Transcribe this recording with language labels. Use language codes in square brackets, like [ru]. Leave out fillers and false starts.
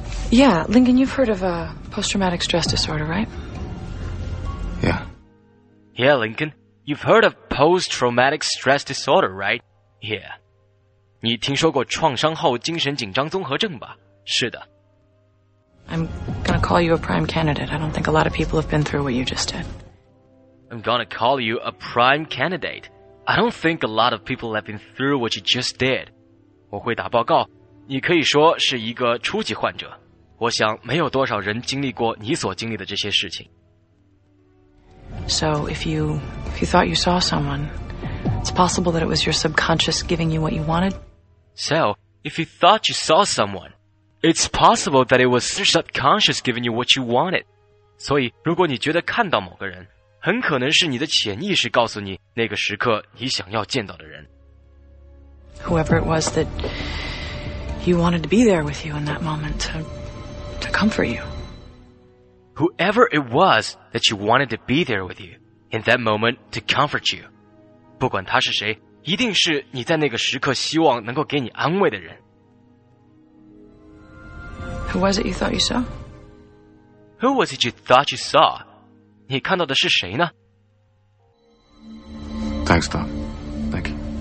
[en] Yeah, Lincoln, you've heard of post-traumatic stress disorder, right? Yeah. Yeah, Lincoln, You've heard of post-traumatic stress disorder, right? Yeah. [zh] 你听说过创伤后精神紧张综合症吧？是的。 [en] I'm gonna call you a prime candidate. I don't think a lot of people have been through what you just did. I'm gonna call you a prime candidate. I don't think a lot of people have been through what you just did. [zh] 我会打报告，你可以说是一个初级患者。我想没有多少人经历过你所经历的这些事情。 [en] So if you thought you saw someone, it's possible that it was your subconscious giving you what you wanted. So if you thought you saw someone,It's possible that it was your subconscious giving you what you wanted. [zh] 所以如果你觉得看到某个人，很可能是你的潜意识告诉你那个时刻你想要见到的人。 [en] Whoever it was that he wanted to be there with you in that moment to comfort you. Whoever it was that you wanted to be there with you in that moment to comfort you. [zh] 不管他是谁，一定是你在那个时刻希望能够给你安慰的人。 [en] Who was it you thought you saw? Who was it you thought you saw? [zh] 你看到的是谁呢 [en] Thanks, Doc. Thank you.